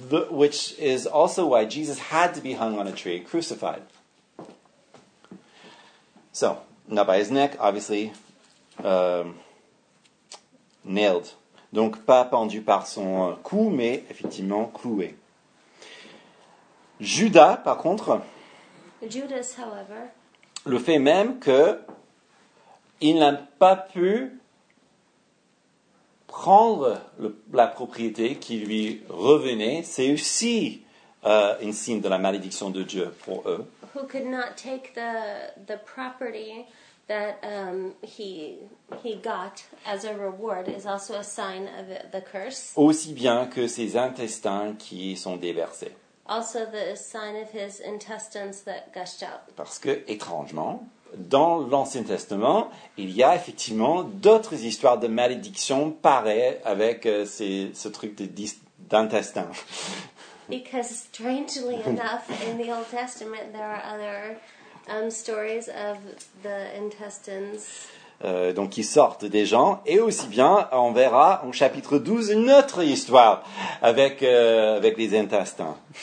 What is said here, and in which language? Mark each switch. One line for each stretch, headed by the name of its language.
English: Which is also why Jesus had to be hung on a tree, crucified. So, not by his neck, obviously, nailed.
French: Donc, pas pendu par son cou, mais effectivement cloué. Judas, par contre,
English: Judas, however,
French: le fait même que il n'a pas pu prendre la propriété qui lui revenait, c'est aussi un signe de la malédiction de Dieu pour eux.
English: Who could not take the property that he got as a reward is also a sign of the curse.
French: Aussi bien que ses intestins qui sont déversés.
English: Also the sign of his intestines that gushed out.
French: Parce que, étrangement, dans l'Ancien Testament, il y a effectivement d'autres histoires de malédiction pareilles avec ce truc d'intestin.
English: Because strangely enough, in the Old Testament, there are other stories of the intestines.
French: Donc ils sortent des gens, et aussi bien, on verra en chapitre 12 une autre histoire avec les intestins.